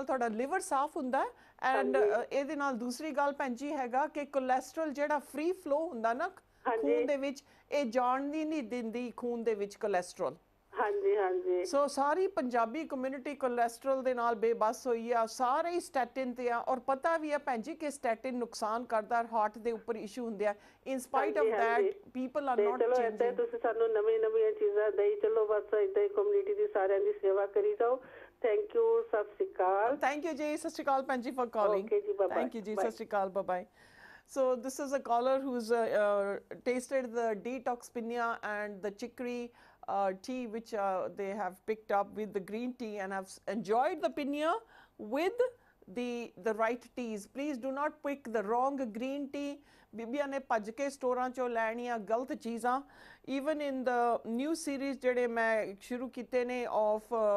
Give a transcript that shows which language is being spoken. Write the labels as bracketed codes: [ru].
[pa] Liver ਸਾਫ ਹੁੰਦਾ and ਇਹਦੇ ਨਾਲ ਦੂਸਰੀ ਗੱਲ ਪੈਂਦੀ ਹੈਗਾ ਕਿ ਕੋਲੇਸਟ੍ਰੋਲ ਜਿਹੜਾ ਫ੍ਰੀ ਫਲੋ ਹੁੰਦਾ ਨਾ ਖੂਨ ਦੇ ਵਿੱਚ ਇਹ ਜਾਣ ਦੀ ਨਹੀਂ ਦਿੰਦੀ ਖੂਨ ਦੇ ਵਿੱਚ ਕੋਲੇਸਟ੍ਰੋਲ ਸੋ ਸਾਰੀ ਪੰਜਾਬੀ ਕਮਿਊਨਿਟੀ ਕੋਲੈਸਟ੍ਰੋਲ ਦੇ ਨਾਲ ਬੇਬਸ ਹੋਈ ਆ ਸਾਰੇ ਹੀ ਸਟੈਟਿਨ ਤੇ ਆ ਔਰ ਪਤਾ ਵੀ ਆ ਭੈਣ ਜੀ ਕਿ ਸਟੈਟਿਨ ਨੁਕਸਾਨ ਕਰਦਾ ਹਾਰਟ ਦੇ ਉੱਪਰ ਇਸ਼ੂ ਹੁੰਦੇ ਆ [en] in spite of that people are not changing [pa] ਚਲੋ ਤੁਸੀਂ ਸਾਨੂੰ ਨਵੀਂ ਨਵੀਂ ਚੀਜ਼ਾਂ ਦੇਈ ਚਲੋ ਬਸ ਇਦਾਂ ਹੀ ਕਮਿਊਨਿਟੀ ਦੀ ਸਾਰਿਆਂ ਦੀ ਸੇਵਾ ਕਰੀ ਜਾਓ ਥੈਂਕ ਯੂ ਸਤਿ ਸ਼੍ਰੀ ਅਕਾਲ ਥੈਂਕ ਯੂ ਜੀ ਸਤਿ ਸ਼੍ਰੀ ਅਕਾਲ ਭੈਣ ਜੀ ਫਾਰ ਕਾਲਿੰਗ ਓਕੇ ਜੀ ਬਾਏ ਥੈਂਕ ਯੂ ਜੀ ਸਤਿ ਸ਼੍ਰੀ ਅਕਾਲ bye [en] So this is a caller who's tested the detox PINNIYA and the chicory tea which they have picked up with the green tea and have enjoyed the PINNIYA with the right teas. Please do not pick the wrong green tea. [pa] ਬੀਬੀਆਂ ਨੇ ਭੱਜ ਕੇ ਸਟੋਰਾਂ 'ਚੋਂ ਲੈਣੀਆਂ ਗਲਤ ਚੀਜ਼ਾਂ [en] even in the new series [pa] ਜਿਹੜੇ ਮੈਂ ਸ਼ੁਰੂ ਕੀਤੇ ਨੇ ਆਫ